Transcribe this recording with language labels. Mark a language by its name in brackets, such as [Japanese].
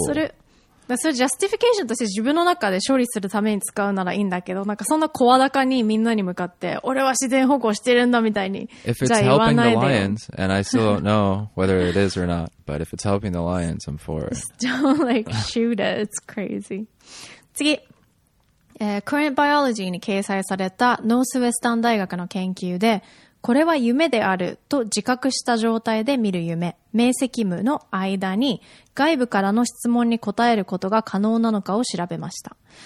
[Japanese] それ justification として自分の中で処理するために使うならいいんだけど、なんかそんな声高にみんなに向かって、俺は自然保護してるんだみたいに、 [English] if it's helping the lions, and I still don't know whether it is or not, but if it's helping the lions, I'm for it. Don't like shoot it. It's crazy. [Japanese] 次。 Current Biology に掲載されたノースウェスタン大学の研究で、これは夢であると自覚した状態で見る夢、明晰夢の間に外部からの質問に答えることが可能なのかを調べました。